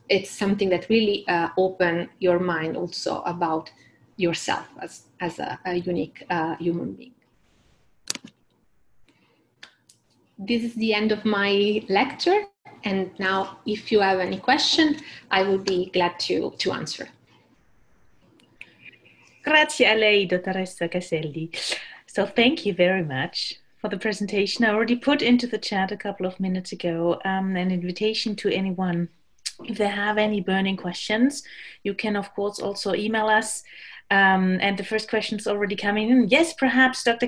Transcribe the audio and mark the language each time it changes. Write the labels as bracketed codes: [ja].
[en] It's something that really open your mind also about yourself as a unique human being. This is the end of my lecture. And now, if you have any question, I will be glad to answer. [it] Grazie a lei, dottoressa Caselli. [en] So thank you very much for the presentation. I already put into the chat a couple of minutes ago an invitation to anyone. If they have any burning questions, you can, of course, also email us And the first question's already coming in. Yes, perhaps, Dr.